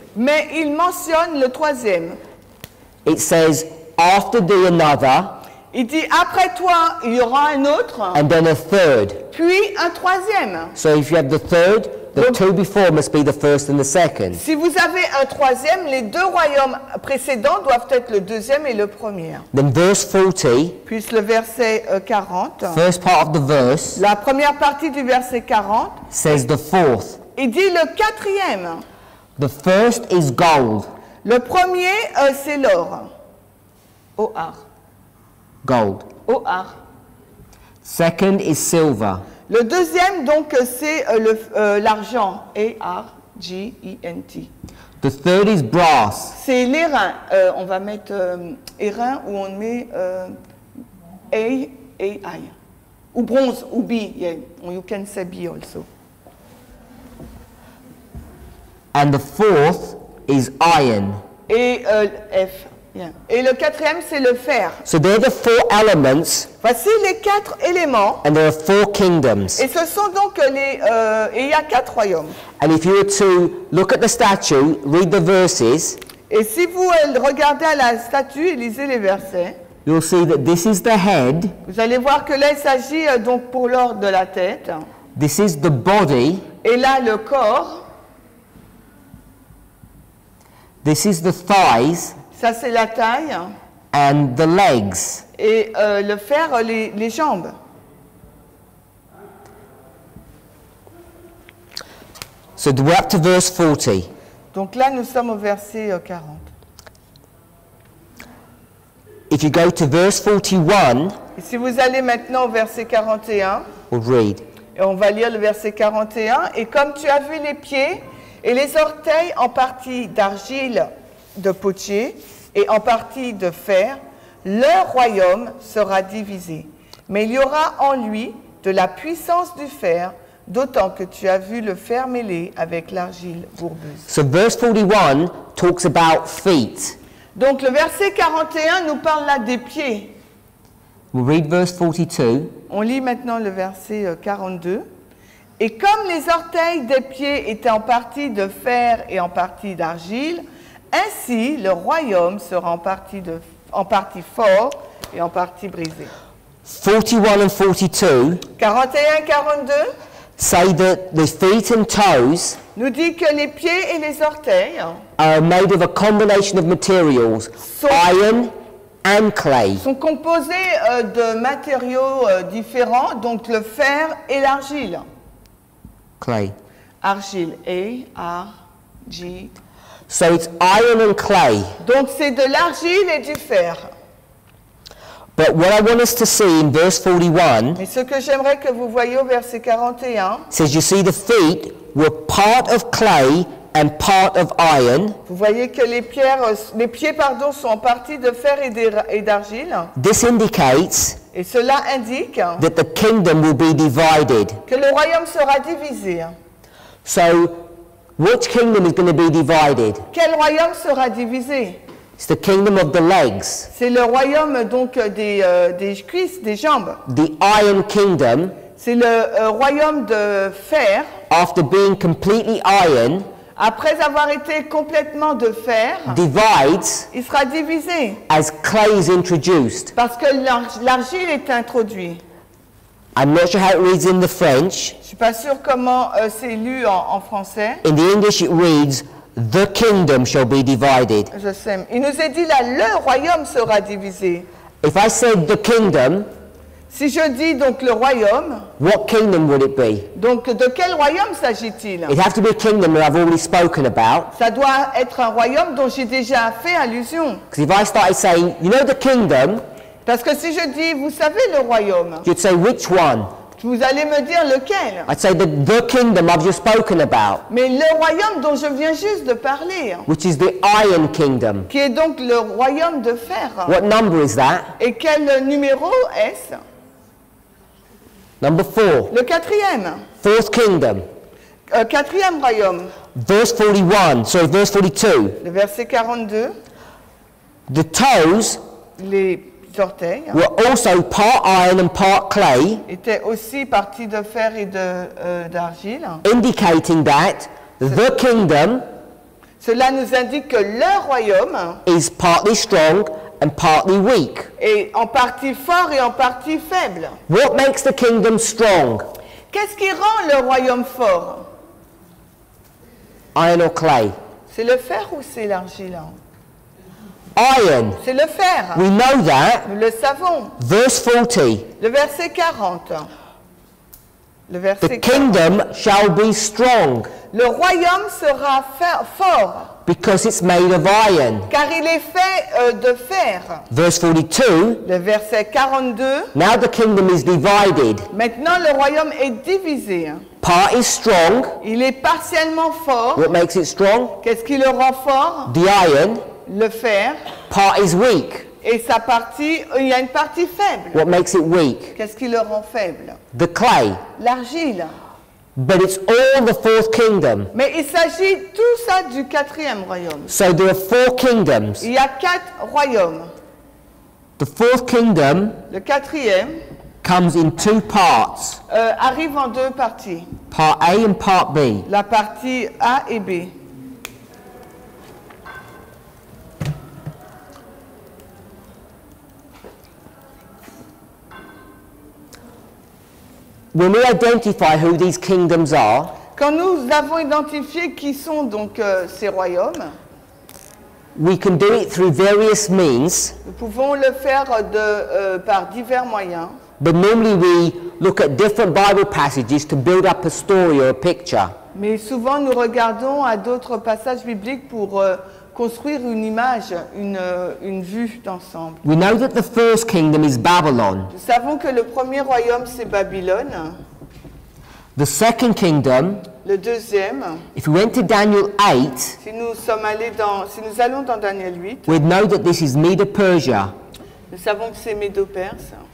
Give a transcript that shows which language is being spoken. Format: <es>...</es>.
<fr>Mais il mentionne le troisième.</fr> <en>It says, after the another.</en> <fr>Il dit, après toi, il y aura un autre.</fr> <en>And then a third.</en> <fr>Puis un troisième.</fr> <en>So if you have the third, the two before must be the first and the second.</en> <fr>Si vous avez un troisième, les deux royaumes précédents doivent être le deuxième et le premier.</fr> <en>Then verse 40.</en> <fr>Puis le verset 40.</fr> <en>First part of the verse.</en> <fr>La première partie du verset 40.</fr> <en>Says the fourth.</en> <fr>Il dit le quatrième.</fr> <en>The first is gold.</en> <fr>Le premier, c'est l'or. Or.</fr> <en>Gold.</en> <fr>Or.</fr> <en>Second is silver.</en> <fr>Le deuxième, donc, c'est l'argent. A-R-G-E-N-T.</fr> <en>The third is brass.</en> <fr>C'est l'airain. On va mettre airain ou on met A-A-I. Ou bronze, ou B. Yeah.</fr> <en>You can say B also. And the fourth is iron.</en> <fr>Et F. Yeah. Et le quatrième, c'est le fer.</fr> <en>So there are the four elements.</en> <fr>Voici les quatre éléments.</fr> <en>And there are four kingdoms.</en> <fr>Et ce sont donc les et il y a quatre royaumes.</fr> <en>And if you were to look at the statue, read the verses.</en> <fr>Et si vous regardez à la statue et lisez les versets.</fr> <en>You'll see that this is the head.</en> <fr>Vous allez voir que là, il s'agit donc pour l'or de la tête.</fr> <en>This is the body.</en> <fr>Et là, le corps.</fr> <en>This is the thighs.</en> <fr>Ça, c'est la taille.</fr> <en>And the legs.</en> <fr>Et le fer, les jambes.</fr> <en>So we're up to verse 40.</en> <fr>Donc là, nous sommes au verset 40.</fr> <en>If you go to verse 41.</en> <fr>Et si vous allez maintenant au verset 41.</fr> <en>We'll read.</en> <fr>Et on va lire le verset 41. Et comme tu as vu les pieds et les orteils en partie d'argile de potier et en partie de fer, leur royaume sera divisé. Mais il y aura en lui de la puissance du fer, d'autant que tu as vu le fer mêlé avec l'argile bourbeuse.</fr> <en>So verse 41 talks about feet.</en> <fr>Donc le verset 41 nous parle là des pieds.</fr> <en>We'll read verse 42.</en> <fr>On lit maintenant le verset 42. Et comme les orteils des pieds étaient en partie de fer et en partie d'argile, ainsi le royaume sera en partie fort et en partie brisé.</fr> <en>41 and 42.</en> <fr>41 et 42.</fr> <en>Say that the feet and toes.</en> <fr>Nous dit que les pieds et les orteils.</fr> <en>Are made of a combination of materials. Iron and clay.</en> <fr>Sont composés de matériaux différents, donc le fer et l'argile.</fr> <en>Clay.</en> <fr>Argile. A-R-G-I-L-E. G.</fr> <en>So it's iron and clay.</en> <fr>Donc c'est de l'argile et du fer.</fr> <en>But what I want us to see in verse 41.</en> <fr>Mais ce que j'aimerais que vous voyiez au verset 41.</fr> <en>Says you see the feet were part of clay and part of iron.</en> <fr>Vous voyez que les pieds sont en partie de fer et d'argile.</fr> <en>This indicates.</en> <fr>Et cela indique.</fr> <en>That the kingdom will be divided.</en> <fr>Que le royaume sera divisé.</fr> <en>So. Which kingdom is going to be divided?</en> <fr>Quel royaume sera divisé?</fr> <en>It's the kingdom of the legs.</en> <fr>C'est le royaume donc des cuisses, des jambes.</fr> <en>The iron kingdom.</en> <fr>C'est le royaume de fer.</fr> <en>After being completely iron.</en> <fr>Après avoir été complètement de fer.</fr> <en>Divides.</en> <fr>Il sera divisé.</fr> <en>As clay is introduced.</en> <fr>Parce que l'argile est introduite.</fr> <en>I'm not sure how it reads in the French.</en> <fr>Je suis pas sûr comment c'est lu en français.</fr> <en>In the English, it reads, "The kingdom shall be divided."</en> <fr>Je sais. Il nous est dit là, le royaume sera divisé.</fr> <en>If I said the kingdom,</en> <fr>si je dis donc le royaume,</fr> <en>what kingdom would it be?</en> <fr>Donc de quel royaume s'agit-il?</fr> <en>It has to be a kingdom that I've already spoken about.</en> <fr>Ça doit être un royaume dont j'ai déjà fait allusion.</fr> <en>Because if I started saying, you know, the kingdom.</en> <fr>Parce que si je dis, vous savez le royaume.</fr> <en>You'd say, which one?</en> <fr>Vous allez me dire lequel.</fr> <en>I'd say the kingdom I've just spoken about.</en> <fr>Mais le royaume dont je viens juste de parler.</fr> <en>Which is the iron kingdom.</en> <fr>Qui est donc le royaume de fer.</fr> <en>What number is that?</en> <fr>Et quel numéro est-ce?</fr> <en>Number four.</en> <fr>Le quatrième.</fr> <en>Fourth kingdom.</en> <fr>Quatrième royaume.</fr> <en>Verse 41. Sorry, verse 42.</en> <fr>Le verset 42.</fr> <en>The toes.</en> <fr>Les</fr> <en>were also part iron and part clay,</en> <fr>était aussi partie de fer et d'argile,</fr> <en>indicating that the kingdom,</en> <fr>cela nous indique que le royaume,</fr> <en>is partly strong and partly weak,</en> <fr>est en partie fort et en partie faible.</fr> <en>What makes the kingdom strong?</en> <fr>Qu'est-ce qui rend le royaume fort?</fr> <en>Iron or clay?</en> <fr>C'est le fer ou c'est l'argile?</fr> <en>Iron.</en> <fr>C'est le fer.</fr> <en>We know that.</en> <fr>Nous le savons.</fr> <en>Verse 40.</en> <fr>Le verset 40. Le verset</fr> <en>the 40. Kingdom shall be strong.</en> <fr>Le royaume sera fort.</fr> <en>Because it's made of iron.</en> <fr>Car il est fait de fer.</fr> <en>Verse 42.</en> <fr>Le verset 42.</fr> <en>Now the kingdom is divided.</en> <fr>Maintenant le royaume est divisé.</fr> <en>Part is strong.</en> <fr>Il est partiellement fort.</fr> <en>What makes it strong?</en> <fr>Qu'est-ce qui le rend fort?</fr> <en>The iron.</en> <fr>Le fer.</fr> <en>Part is weak.</en> <fr>Et sa partie, il y a une partie faible.</fr> <en>What makes it weak?</en> <fr>Qu'est-ce qui le rend faible?</fr> <en>The clay.</en> <fr>L'argile.</fr> <en>But it's all the fourth kingdom.</en> <fr>Mais il s'agit tout ça du quatrième royaume.</fr> <en>So there are four kingdoms.</en> <fr>Il y a quatre royaumes.</fr> <en>The fourth kingdom.</en> <fr>Le quatrième.</fr> <en>Comes in two parts.</en> <fr>Arrive en deux parties.</fr> <en>Part A and part B.</en> <fr>La partie A et B.</fr> <en>When we identify who these kingdoms are,</en> <fr>quand nous avons identifié qui sont donc ces royaumes,</fr> <en>we can do it through various means.</en> <fr>Nous pouvons le faire par divers moyens.</fr> <en>But normally we look at different Bible passages to build up a story or a picture.</en> <fr>Mais souvent nous regardons à d'autres passages bibliques pour construire une image, une vue d'ensemble.</fr> <en>We know that the first kingdom is Babylon.</en> <fr>Nous savons que le premier royaume c'est Babylone.</fr> <en>The second kingdom.</en> <fr>Le deuxième.</fr> <en>If we went to Daniel 8.</en> <fr>Si nous allons dans Daniel 8.</fr> <en>We know that this is Medo-Persia.</en> <fr>Nous savons que c'est Médo-Perse.</fr>